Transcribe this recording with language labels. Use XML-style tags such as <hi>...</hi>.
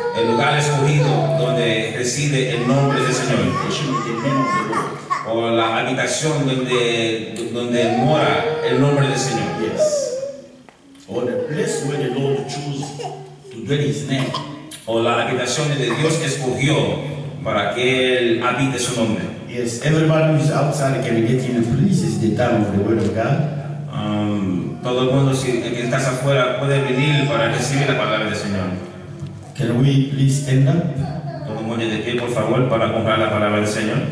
<es>El lugar escogido donde reside el nombre del Señor.</es> <en>The name of the Lord.</en> <es>O la habitación donde mora el nombre del Señor.</es> <en>Yes. Or the place where the Lord chose to dwell His name.</en> <es>O la habitación donde Dios escogió para que él habite su nombre.</es> <en>Yes, everybody who is outside can get in and please, it's the time of the word of God.</en> <es>Todo el mundo si el que está afuera puede venir para recibir la palabra del Señor.</es> <en>Can we please stand up?</en> <es>Todo el mundo de pie, por favor, para comprar la palabra del Señor.</es>